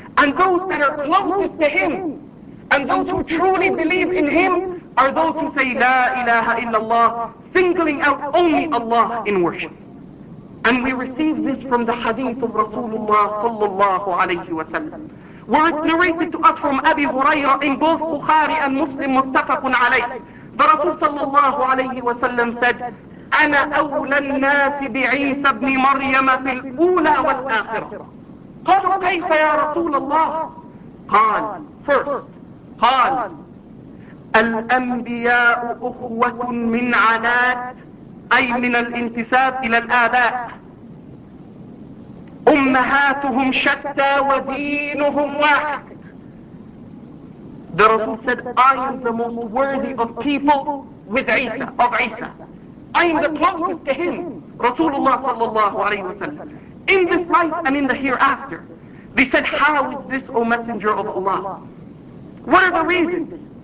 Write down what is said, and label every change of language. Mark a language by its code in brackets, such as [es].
[en] And those that are closest to him, and those who truly believe in him, are those who say, La ilaha illallah, singling out only Allah in worship. And we receive this from the hadith of Rasulullah sallallahu alayhi wa sallam, where it's narrated to us from Abi Hurairah in both Bukhari and Muslim, muttafaqun alayhi. The Rasul sallallahu alayhi wa sallam said, [ar] أنا أولى الناس بعيسى بن مريم في الأولى والآخرة. قالوا كيف يا رسول الله؟ قال, first, قال, الأنبياء أخوة من علاء, أي من الانتساب إلى الآباء. أمهاتهم شتى ودينهم واحد. [en] The Rasul said, I am the most worthy of people with عيسى, of عيسى. I am the closest to him, Rasulullah sallallahu alayhi wa sallam, in this life and in the hereafter. They said, how is this, O Messenger of Allah? What are the reasons?